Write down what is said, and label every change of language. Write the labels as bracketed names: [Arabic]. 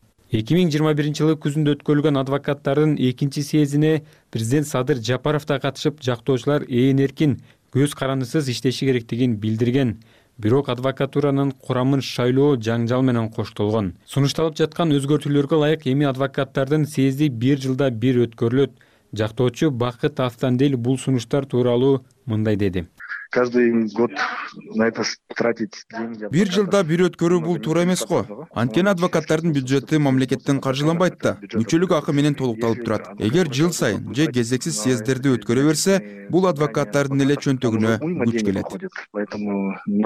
[Kyrgyz] 2021 жылы күзүндө өткөрүлгөн адвокаттардын экинчи съездине президент Садыр Жапаров да катышып, жактоочулар ээн эркин көз карандысыз иштеши керектигин билдирген. Бирок адвокатуранын курамын шайлоо жаңжал менен коштолгон. Сунушталып жаткан өзгөртүүлөргө ылайык эми адвокаттардын съезди бир жылда бир өткөрүлөт. Жактоочу Бакыт Астандел бул сунуштар тууралуу мындай деди. [Russian] Каждый год на это тратить деньги. [Kyrgyz] Бир жылда бир өткөрүү бул туура эмес го. Анткени адвокаттардын бюджети мамлекеттен каржыланбайт да, мүчөлүк акы менен толукталып турат. Эгер жыл сайын же кезексиз съезддерди өткөрө берсе, бул адвокаттардын эле чөнтөгүнө күч келет.